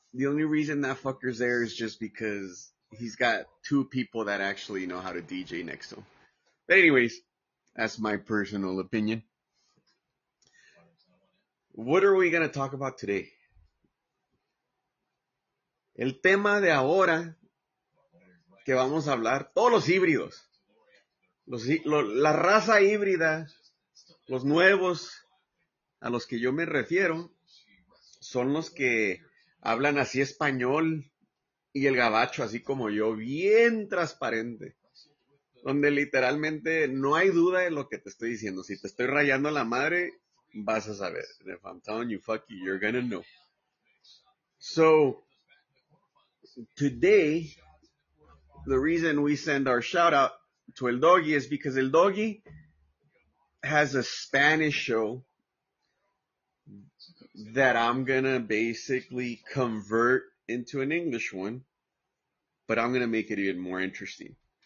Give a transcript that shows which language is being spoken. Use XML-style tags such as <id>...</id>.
<en>The only reason that fucker's there is just because he's got two people that actually know how to DJ next to him. But anyways, that's my personal opinion. What are we going to talk about today?</en> <es>El tema de ahora que vamos a hablar, todos los híbridos. La raza híbrida, los nuevos a los que yo me refiero, son los que hablan así español y el gabacho, así como yo, bien transparente. Donde literalmente no hay duda en lo que te estoy diciendo. Si te estoy rayando la madre, vas a saber.</es> <en>If I'm telling you, fuck you, you're gonna know. So, today, the reason we send our shout out to El Doggy is because El Doggy has a Spanish show that I'm gonna basically convert into an English one, but I'm gonna make it even more interesting.</en>